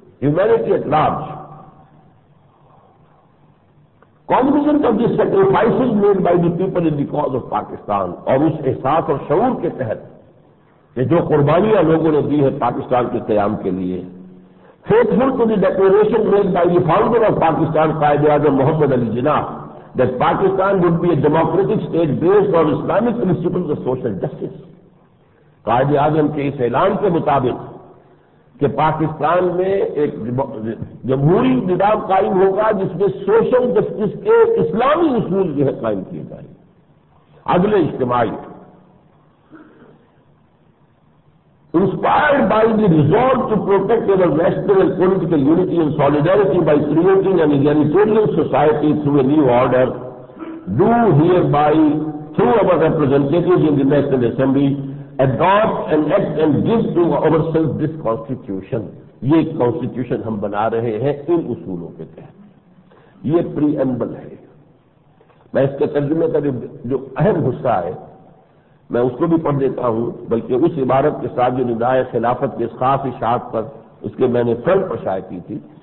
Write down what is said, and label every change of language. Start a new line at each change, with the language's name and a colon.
English: humanity at large composition of the sacrifices made by the people in the cause of Pakistan,
Urdu: اور اس احساس اور شعور کے تحت کہ جو قربانیاں لوگوں نے دی ہے پاکستان کے قیام کے لیے,
English: Faithful to the declaration made by the founder of Pakistan Quaid Azam Muhammad Ali Jinnah that Pakistan would be a democratic state based on Islamic principles of social justice.
Urdu: Quaid Azam کے اس اعلان کے مطابق کہ پاکستان میں ایک جمہوری نظام قائم ہوگا جس میں سوشل جسٹس کے اسلامی اصول جو ہے قائم کیے جائیں, عدل اجتماعی,
English: inspired by the resolve to protect our national and political unity and solidarity by creating an egalitarian society through a new order, do hereby, through our representatives in the National Assembly, adopt and act and give to ourselves this constitution.
Urdu: یہ constitution ہم بنا رہے ہیں ان اصولوں کے تحت. یہ preamble ہے. میں اس کے ترجمے کا جو اہم حصہ ہے میں اس کو بھی پڑھ دیتا ہوں, بلکہ اس عبارت کے ساتھ جو ندائے خلافت کے خاص اشاعت پر اس کے میں نے فرنٹ پر شائع کی تھی.